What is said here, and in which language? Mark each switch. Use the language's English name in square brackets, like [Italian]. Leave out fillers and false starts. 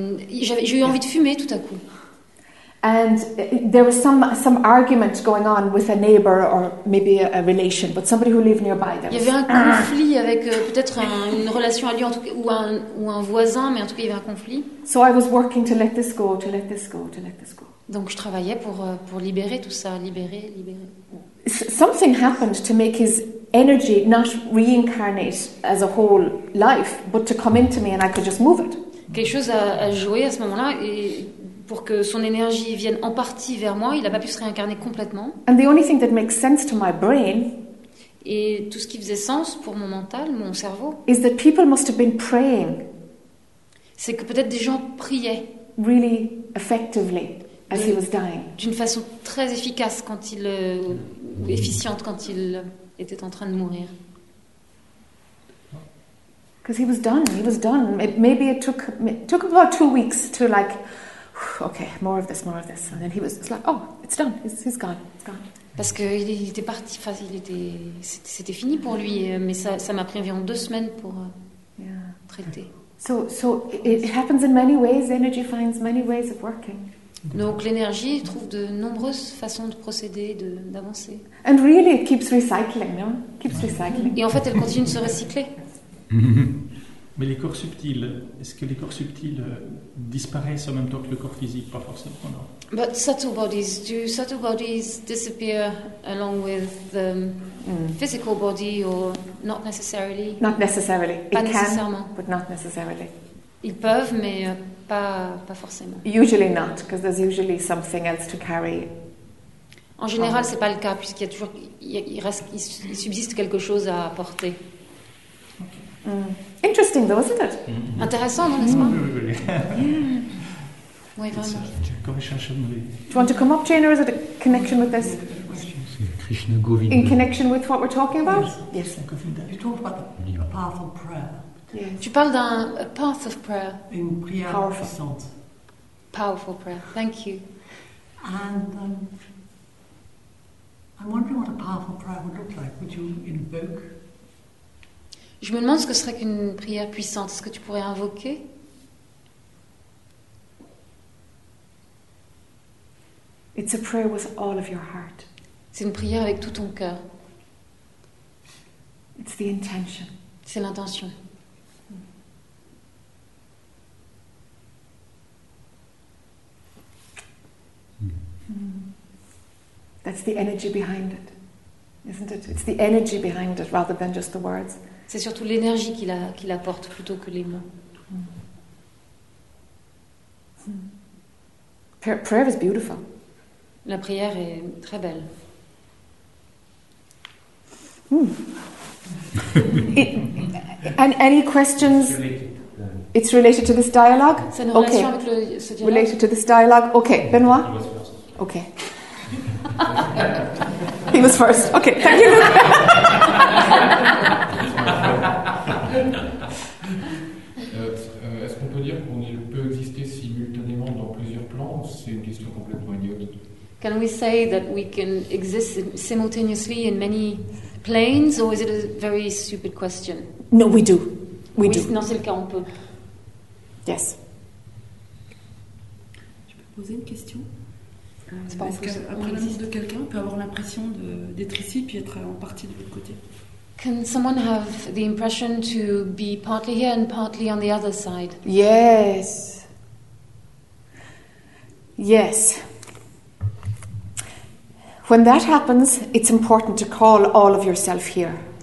[French] J'ai eu envie de fumer tout à coup. [English] And there was some argument going on with a neighbor or maybe a relation, but somebody who lived nearby. [French] Il y avait un conflit avec peut-être une relation à lui en tout cas, ou un voisin, mais en tout cas il y avait un conflit. [English] So I was working to let this go, to let this go, to let this go. [French] Donc je travaillais pour libérer tout ça, libérer. [English] Something happened to make his energy not reincarnate as a whole life, but to come into me and I could just move it. [French] Quelque chose a joué à ce moment-là et pour que son énergie vienne en partie vers moi, il n'a pas pu se réincarner complètement. [English] And the only thing that makes sense to my brain, [French] et tout ce qui faisait sens pour mon mental, mon cerveau, [English] is that people must have been praying, [French] c'est que peut-être des gens priaient [English] really effectively as he was dying. [French] D'une façon très efficace quand il, ou efficiente quand il était en train de mourir. [English] Because he was done. Maybe it took about 2 weeks to like, okay, more of this, and then it's like, oh, it's done, it's gone. [French] Parce que il était parti, enfin, c'était fini pour lui, mais ça m'a pris environ 2 semaines pour traiter. [English] So it happens in many ways. Energy finds many ways of working. [French] Donc l'énergie trouve de nombreuses façons de procéder, d'avancer. [English] And really, it keeps recycling, no? Keeps recycling. [French] Et en fait, elle continue de se recycler. Mais les corps subtils, est-ce que les corps subtils disparaissent en même temps que le corps physique? Pas forcément, non. [English] But subtle bodies disappear along with the physical body, or not necessarily? Not necessarily. [French] Pas [English] it [French] nécessairement. [English] Can, but not necessarily. [French] Ils peuvent, mais pas forcément. [English] Usually not, because there's usually something else to carry. [French] En général, c'est pas le cas, puisqu'il y a toujours, il subsiste quelque chose à porter. [English] Mm. Interesting though, isn't it? [French] Mm-hmm. Intéressant, non, n'est-ce pas? Oui, oui, oui. Comment cherchons-nous? [English] Do you want to come up, Jane, or is it a connection with this? [Sanskrit] Krishna Govinda. [English] In connection with what we're talking about? Yes. You talk about the path of prayer. Yes. [French] Tu parles d'un [English] path of prayer. [French] Une prière puissante. [English] Powerful prayer. Thank you. And I'm wondering what a powerful prayer would look like. Would you invoke? [French] Je me demande ce que serait qu'une prière puissante. Est-ce que tu pourrais invoquer? [English] It's a prayer with all of your heart. [French] C'est une prière avec tout ton cœur. [English] It's the intention. [French] C'est l'intention. [English] That's the energy behind it, isn't it? It's the energy behind it rather than just the words. [French] C'est surtout l'énergie qu'il apporte plutôt que les mots. [English] Prayer is beautiful. [French] La prière est très belle. [English] And any questions? It's related to this dialogue? [French] C'est une relation okay. Avec le, ce dialogue. [English] Related to this dialogue? Okay, Benoît? Okay. He was first. Okay, thank you. [French] Est-ce qu'on peut dire qu'on peut exister simultanément dans plusieurs plans, ou c'est une question complètement idiote? [English] Can we say that we can exist simultaneously in many planes, or is it a very stupid question? No, we do. We do. [French] Non, c'est le cas, on peut. [English] Yes. [French] Je peux poser une question? C'est pas est-ce qu'après la mort de quelqu'un, on peut avoir l'impression d'être ici puis être en partie de l'autre côté? [English] Can someone have the impression to be partly here and partly on the other side? Yes. Yes. When that happens, it's important to call all of yourself here.